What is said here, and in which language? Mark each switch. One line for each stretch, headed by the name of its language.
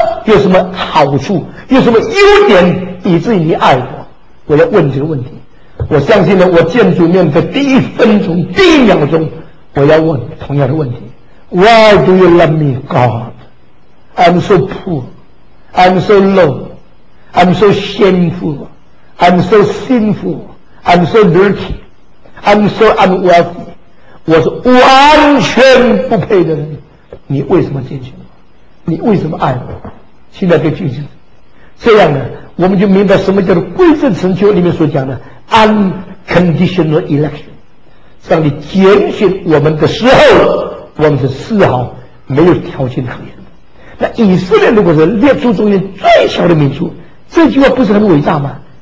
Chinese: 有什么好处？有什么优点以至于你爱我？我要问这个问题。我相信呢，我见主面的第一分钟、第一秒钟，我要问同样的问题。
English: Why do you love me, God? I'm so poor. I'm so low, I'm so shameful, I'm so sinful, I'm so dirty, I'm so unworthy,
Chinese: 我是完全不配的人，你为什么进去？你为什么爱我？现在就进去。这样呢，我们就明白什么叫做归正神秋里面所讲的 unconditional election。上帝拣选我们的时候，我们是丝毫没有条件可言的。那以色列如果是列祖中间最小的民族，这句话不是很伟大吗？